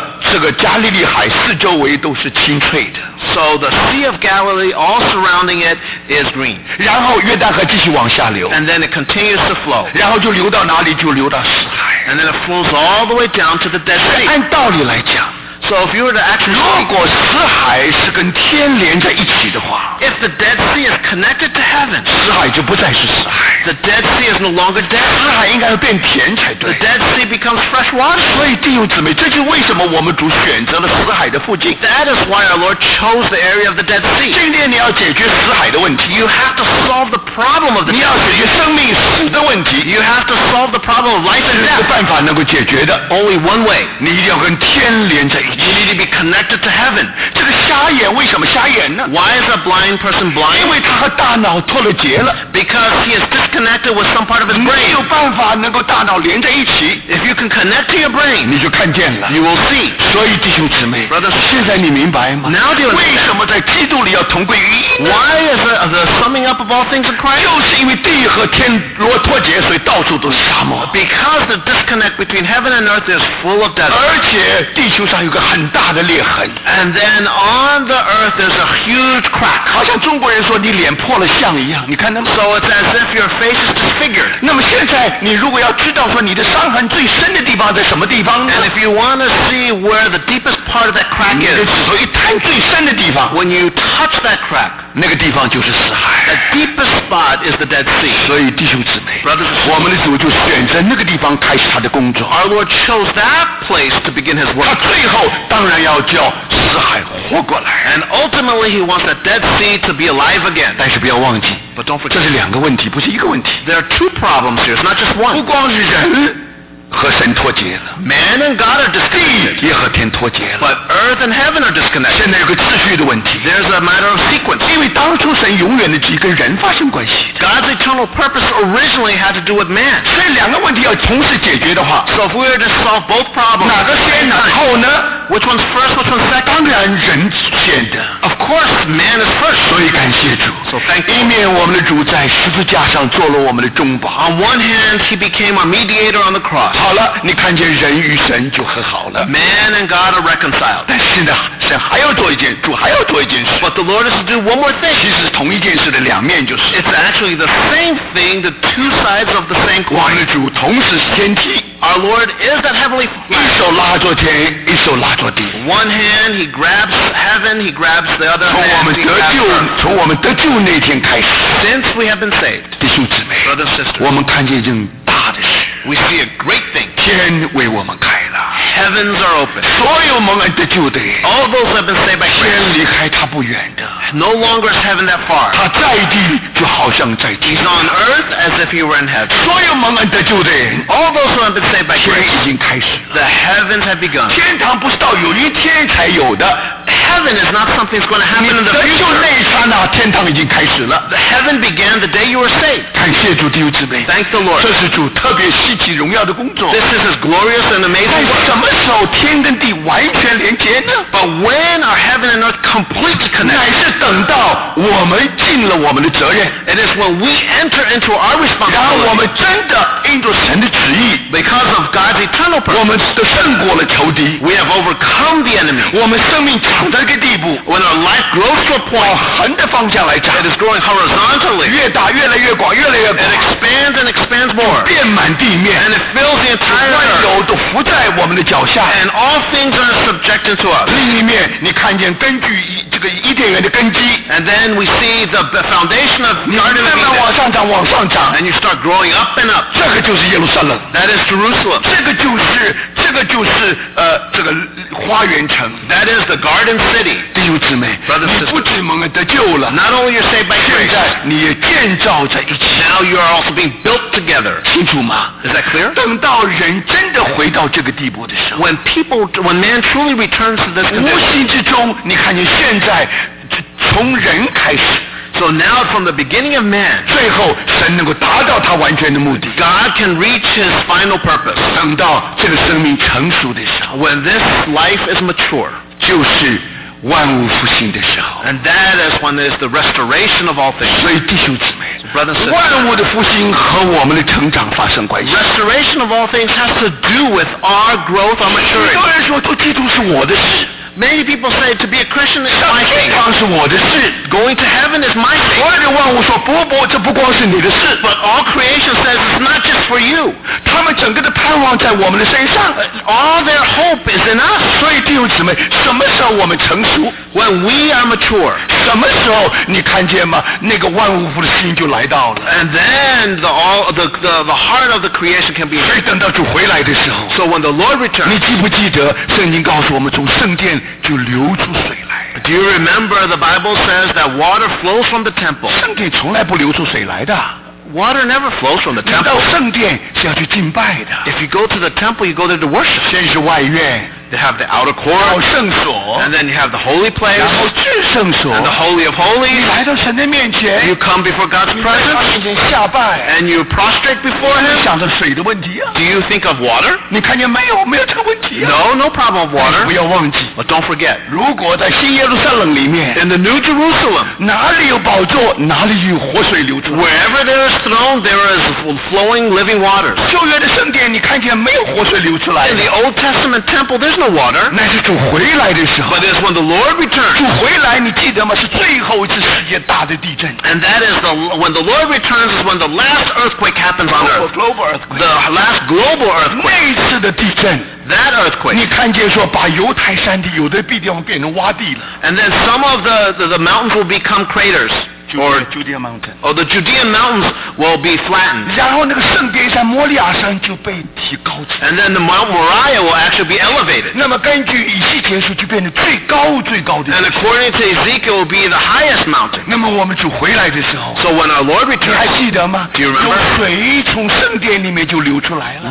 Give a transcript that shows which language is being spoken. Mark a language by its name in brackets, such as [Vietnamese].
[Chinese] 所以不要忘记，这个整个的这个加利利海四周围都是清脆的。 [English] So the Sea of Galilee, all surrounding it, is green. [Chinese] 然后约旦河继续往下流。 [English] And then it continues to flow. [Chinese] 然后就流到哪里？就流到死海。 [English] And then it flows all the way down to the Dead Sea. [Chinese] 按道理来讲。 [English] So if you were to actually, [Chinese] 如果死海是跟天连在一起的话， [English] if the Dead Sea is connected to heaven, [Chinese] 死海就不再是死海。 [English] The Dead Sea is no longer dead. [Chinese] 死海应该要变甜才对。 [English] The Dead Sea becomes fresh water. [Chinese] 所以弟兄姊妹， 这就为什么我们主选择了死海的附近。 [English] That is why our Lord chose the area of the Dead Sea. [Chinese] 今天你要解决死海的问题。 [English] You have to solve the problem of the Dead Sea. [Chinese] 你要解决生命死的问题。 [English] You have to solve the problem of life and death. [Chinese] 这是个办法能够解决的。 [English] Only one way. [Chinese] 你一定要跟天连在一起。 [English] You need to be connected to heaven. [Chinese] 这个瞎眼为什么瞎眼呢？ [English] Why is a blind person blind? [Chinese] 因为他和大脑脱了节了。 [English] Because he is disconnected with some part of his brain. [Chinese] 没有办法能够大脑连在一起。 [English] If you can connect to your brain, [Chinese] 你就看见了。 [English] You will see. [Chinese] 所以弟兄姊妹， [English] Brothers, [Chinese] 现在你明白吗？ [English] Now do you understand? [Chinese] 为什么在基督里要同归于一呢？ [English] Why is the summing up of all things in Christ? [Chinese] 就是因为地和天罗脱节，所以到处都是沙漠。 [English] Because the disconnect between heaven and earth is full of desert. [Chinese] 而且地球 [English] And then on the earth there's a huge crack. [Chinese] 好像中国人说你脸破了相一样，你看那么。 [English] So it's as if your face is disfigured. [Chinese] 那么现在你如果要知道说你的伤痕最深的地方在什么地方呢？ [English] And if you want to see where the deepest part of that crack is, [Chinese] 你的指头一探最深的地方。 [English] When you touch that crack. [Chinese] 那个地方就是死海。 [English] The deepest spot is the Dead Sea. [Chinese] 所以弟兄姊妹 [English] Brothers, [Chinese] 我们的主就选择那个地方开始他的工作。 [English] Our Lord chose that place to begin his work. [Chinese] 他最后当然要叫死海活过来。 [English] And ultimately he wants the Dead Sea to be alive again. [Chinese] 但是不要忘记 [English] But don't forget, [Chinese] 这是两个问题不是一个问题。 [English] There are two problems here, it's not just one. [Chinese] 不光是人和神脱节了 [English] Man and God are disconnected [Chinese] 地也和天脱节了 [English] But earth and heaven are disconnected [Chinese] 现在有个秩序的问题 [English] There's a matter of sequence [Chinese] 因为当初神永远的旨意跟人发生关系 [English] God's eternal purpose originally had to do with man [Chinese] 所以两个问题要同时解决的话 [English] So if we were to solve both problems [Chinese] 哪个先哪后呢 [English] Which one's first, which one's second [Chinese] 当然人先的 [English] Of course, man is first [Chinese] 所以感谢主 [English] So thank you [Chinese] 一面我们的主在十字架上做了我们的中保 [English] On one hand, he became our mediator on the cross [Chinese] 好了，你看见人与神就和好了。 [English] Man and God are reconciled. [Chinese] 但是呢，神还要做一件，主还要做一件事。 [English] But the Lord is to do one more thing. [Chinese] 其实同一件事的两面就是。 [English] It's actually the same thing, the two sides of the same coin. [Chinese] 我们的主同时是天梯。 [English] Our Lord is that heavenly. [Chinese] 一手拉着天，一手拉着地。 [English] One hand he grabs heaven, he grabs the other. [Chinese] 从我们得救，从我们得救那天开始。 [English] Since we have been saved. [Chinese] 弟兄姊妹 [English] ，Brothers and sisters， [Chinese] 我们看见一件大的事。 [English] We see a great thing. [Chinese] 天为我们开了。 [English] Heavens are open. [Chinese] 所有蒙恩得救的。 [English] All those have been saved by grace. [Chinese] 天离开他不远的。 [English] No longer is heaven that far. [Chinese] 他在地就好像在地。 [English] He's on earth as if he were in heaven. [Chinese] 所有蒙恩得救的。 [English] All those who have been saved by grace. [Chinese] 天已经开始了。 [English] The heavens have begun. [Chinese] 天堂不是到有一天才有的。 [English] Heaven is not something that's going to happen in the future. [Chinese] 你得救那一刹那，天堂已经开始了。 [English] The heaven began the day you were saved. [Chinese] 感谢主，弟兄姊妹。 [English] Thank the Lord. [Chinese] 这是主特别稀奇荣耀的工作。 [English] This is his glorious and amazing work. [Chinese] 在什么时候天跟地完全连接呢 [English] ？But when are heaven and earth completely connected? [Chinese] 乃是等到我们尽了我们的责任。 [English] It is when we enter into our responsibility. [Chinese] 让我们真的按照神的旨意。 [English] Because of God's eternal purpose. [Chinese] 我们都胜过了仇敌。 [English] We have overcome the enemy. [Chinese] 我们生命长。 [English] When our life grows to a point, [Chinese] 往横的方向来长 [English] it is growing horizontally. [Chinese] 越大越来越广，越来越广 [English] It expands and expands more. [Chinese] 遍满地面 [English] and it fills the entire earth. [Chinese] 万有都伏在我们的脚下 [English] and all things are subjected to us. [Chinese] 另一面，你看见根据这个伊甸园的根基 [English] and then we see the foundation of Garden of Eden. [Chinese] 你慢慢往上涨，往上涨 [English] and you start growing up and up. [Chinese] 这个就是耶路撒冷 [English] that is Jerusalem. [Chinese] 这个就是这个花园城 [English] that is the Garden City. [Chinese] 弟兄姊妹 [English] Brothers, [Chinese] 你不只蒙恩得救了 [English] Not only you're saved by grace [Chinese] 现在你也建造在一起 [English] Now you are also being built together [Chinese] 清楚吗 [English] Is that clear? [Chinese] 等到人真的回到这个地步的时候 [English] When man truly returns to this condition [Chinese] 无形之中你看见现在从人开始 [English] So now from the beginning of man [Chinese] 最后神能够达到他完全的目的 [English] God can reach his final purpose [Chinese] 等到这个生命成熟的时候 [English] When this life is mature [Chinese] 就是万物复兴的时候 [English] and that is when there is the restoration of all things [Chinese] 所以弟兄姊妹 [English] Brother and sister, [Chinese] 万物的复兴和我们的成长发生关系 [English] restoration of all things has to do with our growth our maturity [Chinese] 许多人说做基督是我的事 [English] many people say to be a Christian is my thing [Chinese] 上天堂是我的事 [English] going to heaven is my thing [Chinese] 所有的万物说不不这不光是你的事 [English] but all creation says it's not just for you [Chinese] 他们整个的盼望在我们的身上 [English] all their hope is in us [Chinese] 所以弟兄姊妹什么时候我们成熟 [English] when we are mature [Chinese] 什么时候你看见吗那个万物复兴就来到了 [English] and then the heart of the creation can be [Chinese] 所以等到主回来的时候 [English] so when the Lord returns [Chinese] 你记不记得圣经告诉我们从圣殿就流出水来 [English] do you remember the Bible says that water flows from the temple [Chinese] 圣殿从来不流出水来的 [English] Water never flows from the temple. [Chinese] 你到圣殿是要去敬拜的。 [English] If you go to the temple, you go there to worship. [Chinese] 先是外院。 [English] They have the outer court. [Chinese] 然后圣所。 [English] And then you have the holy place. [Chinese] 然后至圣所。 [English] And the holy of holies. [Chinese] 你来到神的面前。 [English] You come before God's presence. [Chinese] 你在他面前下拜。 [English] And you prostrate before him. [Chinese] 想着水的问题啊。 [English] Do you think of water? [Chinese] 你看见没有？没有这个问题啊。 [English] No, no problem of water. [Chinese] 不要忘记。 [English] But don't forget. [Chinese] 如果在新耶路撒冷里面。 [English] In the New Jerusalem. [Chinese] 哪里有宝座，哪里有活水流出。 [English] Wherever there is throne, there is flowing living water. [Chinese] 旧约的圣殿，你看见没有活水流出来。 [English] In the Old Testament temple, there's the water. [Chinese] 乃是主回来的时候。 [English] But it's when the Lord returns. [Chinese] 主回来，你记得吗？是最后一次世界大的地震。 [English] And that is the when the Lord returns is when the last earthquake happens on earth. Global earthquake. The last global earthquake. [Chinese] 那一次的地震。 [English] That earthquake. [Chinese] 你看见说把犹太山地有的地方变成洼地了。 [English] And then some of the mountains will become craters. Or Judea Mountain. Or the Judean mountains will be flattened. [Chinese] 然后那个圣殿山摩利亚山就被提高起来。 [English] And then the Mount Moriah will actually be elevated. [Chinese] 那么根据以西结书就变成最高最高的。 [English] And according to Ezekiel will be the highest mountain. [Chinese] 那么我们主回来的时候。 [English] So when our Lord returns. [Chinese] 你还记得吗？ [English] Do you remember? [Chinese] 有水从圣殿里面就流出来了。